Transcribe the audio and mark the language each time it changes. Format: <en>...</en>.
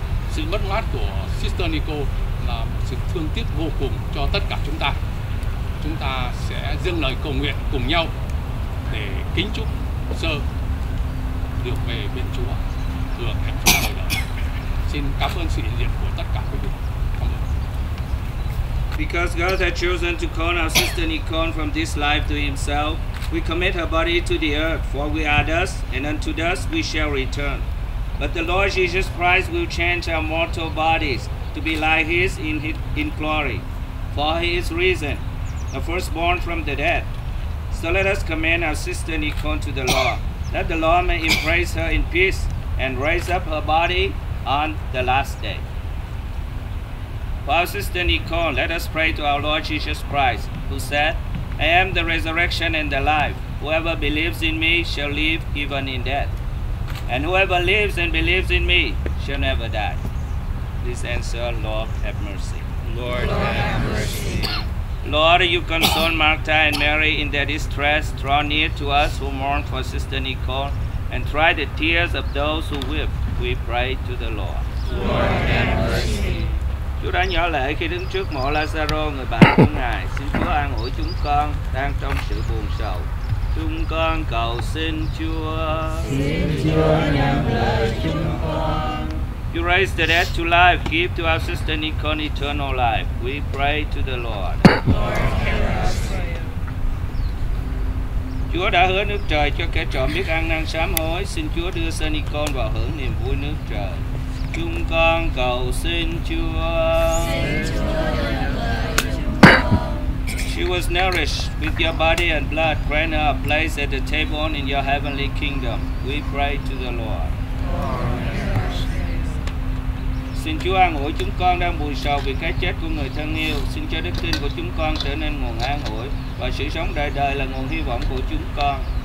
<vi>Sự mất mát của Sister Nicole là một sự thương tiếc vô cùng cho tất cả chúng ta. Chúng ta sẽ dâng lời cầu nguyện cùng nhau để kính chúc Sơ được về bên Chúa, hưởng hạnh phúc đời đời. Xin cảm ơn sự hiện diện của tất cả quý vị. Cảm ơn.</vi> <en>Because God has chosen to call our Sister Nicole from this life to Himself, we commit her body to the earth, for we are dust, and unto dust we shall return. But the Lord Jesus Christ will change our mortal bodies to be like His in glory, for He is risen, the firstborn from the dead. So let us commend our sister Nicole to the Lord, that the Lord may embrace her in peace and raise up her body on the last day. For our sister Nicole, let us pray to our Lord Jesus Christ, who said, I am the resurrection and the life. Whoever believes in me shall live even in death. And whoever lives and believes in me shall never die. This answer, Lord, have mercy. Lord, have mercy. Lord, you console Martha and Mary in their distress. Draw near to us who mourn for Sister Nicole, and dry the tears of those who weep. We pray to the Lord. Lord, have mercy.</en> <vi>Chúa đã nhỏ lễ khi đứng trước mộ Lazaro, người bạn của Ngài. Xin Chúa an ủi chúng con đang trong sự buồn sầu. Chúng con cầu xin Chúa. Xin Chúa nhận lời chúng con.</vi> <en>You raise the dead to life. Give to our sister Nicole eternal life. We pray to the Lord. Lord, hear us.</en> <vi>Chúa đã hứa nước trời cho kẻ trộm biết ăn năn sám hối. Xin Chúa đưa sơ Nicole vào hưởng niềm vui nước trời. Chúng con cầu xin Chúa.</vi> <en>She was nourished with your body and blood. Grant her a place at the table in your heavenly kingdom. We pray to the Lord.</en> <vi>Xin Chúa an ủi chúng con đang buồn sầu vì cái chết của người thân yêu. Xin cho đức tin của chúng con trở nên nguồn an ủi và sự sống đời đời là nguồn hy vọng của chúng con.</vi>